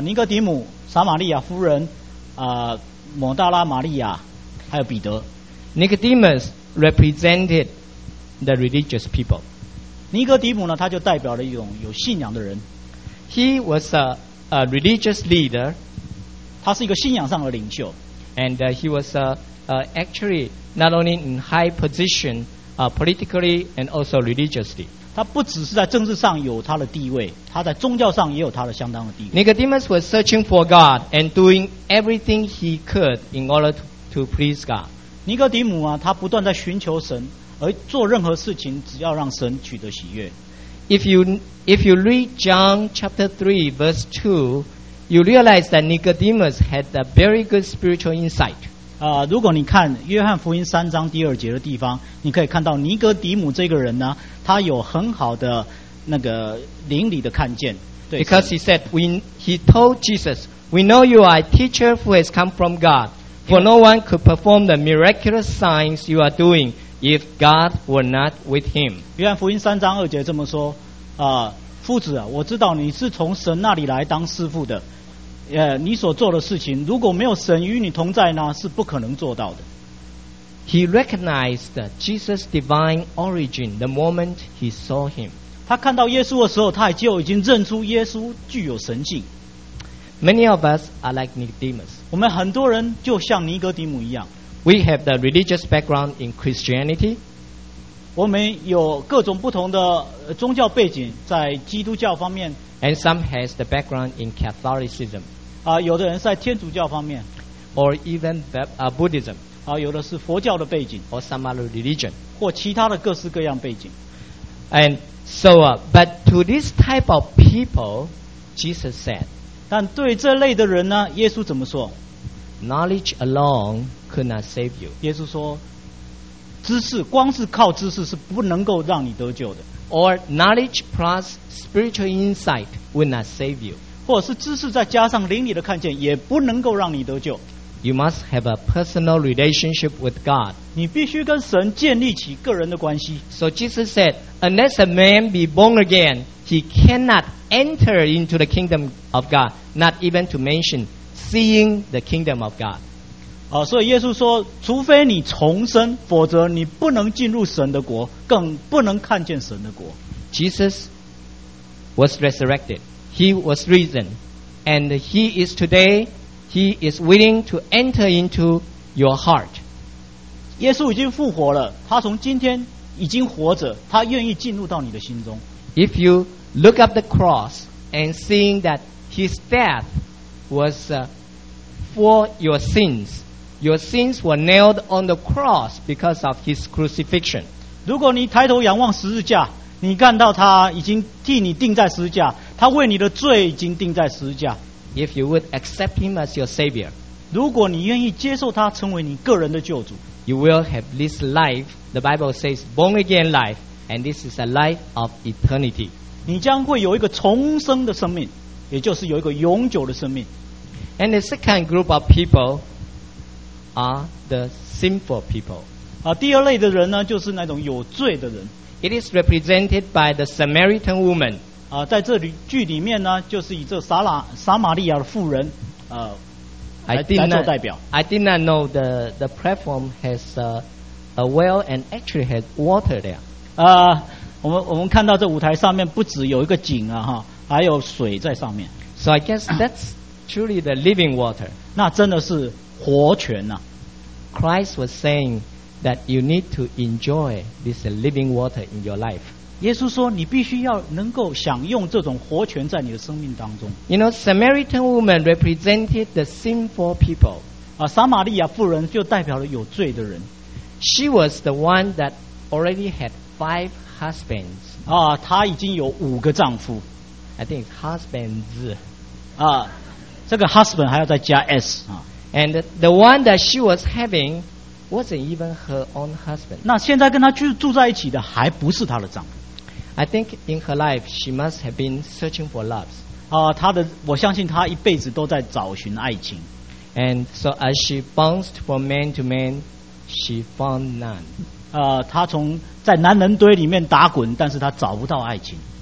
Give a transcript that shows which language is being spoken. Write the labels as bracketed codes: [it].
[zh] 尼哥底母，撒玛利亚夫人。抹大拉玛利亚还有彼得。 [en] Nicodemus represented the religious people. [zh] 尼哥底母呢，他就代表了一种有信仰的人。 [en] He was a religious leader. [zh] 他是一个信仰上的领袖。 [en] And he was actually not only in high position politically and also religiously. [zh] 他不只是在政治上有他的地位，他在宗教上也有他的相当的地位。 [en] Nicodemus was searching for God and doing everything he could in order to please God. [zh] 尼哥底母啊，他不断在寻求神，而做任何事情只要让神取得喜悦。 [en] If you read John chapter 3 verse 2, you realize that Nicodemus had a very good spiritual insight. [zh] 如果你看约翰福音三章第二节的地方，你可以看到尼哥底母这个人呢，他有很好的那个灵里的看见。对， [en] Because he said, he told Jesus, "We know you are a teacher who has come from God, for no one could perform the miraculous signs you are doing if God were not with him." [zh] 约翰福音三章二节这么说，夫子啊，我知道你是从神那里来当师父的，你所做的事情如果没有神与你同在呢，是不可能做到的。 [en] He recognized Jesus' divine origin the moment he saw him. [zh] 他看到耶稣的时候，他就已经认出耶稣具有神性。 [en] Many of us are like Nicodemus. [zh] 我们很多人就像尼哥底母一样。 [en] We have the religious background in Christianity. [zh] 我们有各种不同的宗教背景，在基督教方面。 [en] And some has the background in Catholicism. [zh] 有的人在天主教方面。 [en] Or even Buddhism. [zh] 有的是佛教的背景 [en] or some other religion. [zh] 或其他的各式各样背景。 [en] And so, but to this type of people, Jesus said, [zh] 但对这类的人呢，耶稣怎么说？ [en] Knowledge alone could not save you. [zh] 耶稣说，知识，光是靠知识是不能够让你得救的。 [en] Or knowledge plus spiritual insight would not save you. [zh] 或者是知识再加上灵里的看见也不能够让你得救。 [en] You must have a personal relationship with God. [zh] 你必须跟神建立起个人的关系。 [en] So Jesus said, unless a man be born again, he cannot enter into the kingdom of God, not even to mention seeing the kingdom of God. [zh] 所以耶稣说，除非你重生，否则你不能进入神的国，更不能看见神的国。 [en] Jesus was resurrected. He was risen. And he is today... He is willing to enter into your heart. [zh] 耶稣已经复活了，他从今天已经活着，他愿意进入到你的心中。 [en] If you look up the cross and seeing that his death was for your sins were nailed on the cross because of his crucifixion. [zh] 如果你抬头仰望十字架，你看到他已经替你钉在十字架，他为你的罪已经钉在十字架。 [en] If you would accept him as your savior, [zh] 如果你愿意接受他成为你个人的救主, [en] you will have this life, the Bible says, born again life, and this is a life of eternity. [zh] 你将会有一个重生的生命, 也就是有一个永久的生命。 [en] And the second group of people are the sinful people. [zh] 第二类的人呢,就是那种有罪的人。 [en] It is represented by the Samaritan woman. [zh] 在这里剧里面呢，就是以这撒玛利亚的妇人，来做代表。 [en] I did not know the platform has a well and actually has water there. [zh] 我们看到这舞台上面不只有一个井啊，哈，还有水在上面。 [en] So I guess that's truly the living water. [zh] 那真的是活泉呐。 [en] Christ was saying that you need to enjoy this living water in your life. [zh] 耶稣说你必须要能够享用这种活泉在你的生命当中。 [en] You know, Samaritan woman represented the sinful people. [zh] 撒玛利亚妇人就代表了有罪的人。 [en] She was the one that already had five husbands. [zh] 她已经有五个丈夫。 [en] I think it's husbands. [zh] 这个 husband 还要再加 S. [en] And the one that she was having... wasn't even her own husband. [zh] 那现在跟她住在一起的还不是她的丈夫。 [en] I think in her life she must have been searching for love. [zh] 我相信她一辈子都在找寻爱情。 [en] And so as she bounced from man to man, she found none. [zh] 她从在男人堆里面打滚，但是她找不到爱情。